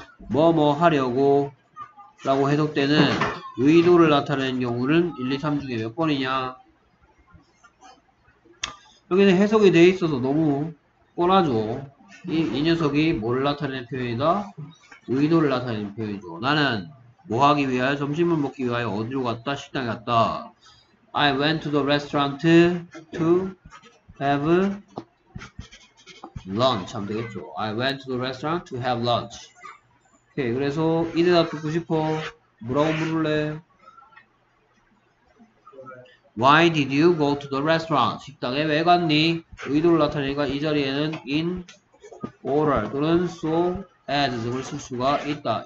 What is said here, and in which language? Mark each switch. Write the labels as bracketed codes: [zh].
[ko] 뭐뭐 하려고. 라고 해석되는 의도를 나타내는 경우는 1, 2, 3 중에 몇 번이냐? 여기는 해석이 돼 있어서 너무 뻔하죠. 이 녀석이 뭘 나타내는 표현이다? 의도를 나타내는 표현이죠. 나는 뭐 하기 위하여 점심을 먹기 위하여 어디로 갔다? 식당에 갔다. [en] I went to the restaurant to have lunch. [ko] 하면 되겠죠. [en] I went to the restaurant to have lunch. [ko] 오케이. 그래서 이대답 듣고 싶어. 뭐라고 물을래? [en] Why did you go to the restaurant? [ko] 식당에 왜 갔니? 의도를 나타내니까 이 자리에는 in order 또는 so as 등을 쓸 수가 있다.